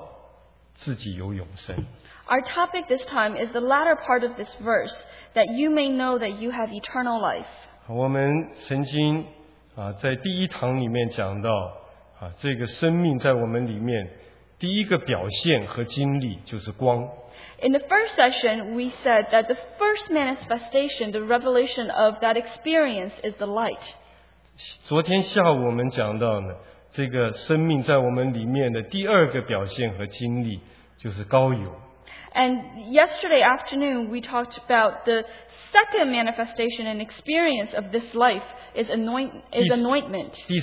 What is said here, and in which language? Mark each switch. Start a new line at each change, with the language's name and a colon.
Chinese: 我将这些话写给你们信奉神儿子之名的人，要叫你们知道自己有永生。我们这一次的题目呢，是这一节圣经的后一半，要叫我们知道自己有永生。
English: Our topic this time is the latter part of this verse, that you may know that you have eternal life.
Chinese: 我们曾经在第一堂里面讲到。这个生命在我们里面第一个表现和经历就是光。
English: In the first session, we said that the first manifestation, the revelation of that experience is the light.
Chinese: 昨天下午我们讲到呢，这个生命在我们里面的第二个表现和经历就是膏油。
English: And yesterday afternoon, we talked about the second manifestation and experience of this life is anointment.